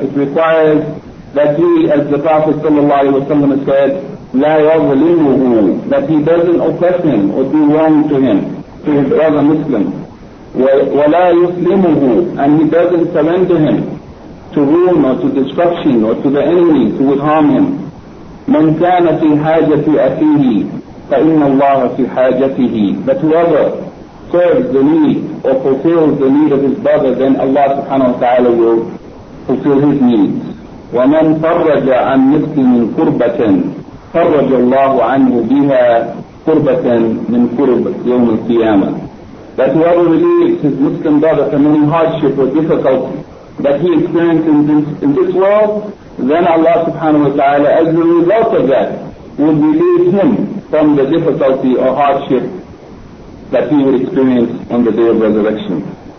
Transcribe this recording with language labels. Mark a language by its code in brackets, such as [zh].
[en] It requires that he, as the Prophet sallallahu alayhi wa sallam said, [ar] لا يظلمه, [en] that he doesn't oppress him or do wrong to him, to his brother Muslim. [ar] ولا يسلمه, [en] and he doesn't surrender him to ruin or to destruction or to the enemy who would harm him. [ar] من كان في حاجة أخيه فإن الله في حاجته. [en] But whoever serves the need or fulfills the need of his brother, then Allah subhanahu wa ta'ala will fulfill his needs. [ar] ومن فرج عن مسلم قربة فرج الله عنه بها قربة من قرب يوم القيامة. [en] That whoever relieves his Muslim brother from any hardship or difficulty that he experiences in this world, then Allah subhanahu wa ta'ala, as a result of that, will relieve him from the difficulty or hardship that he will experience on the day of resurrection.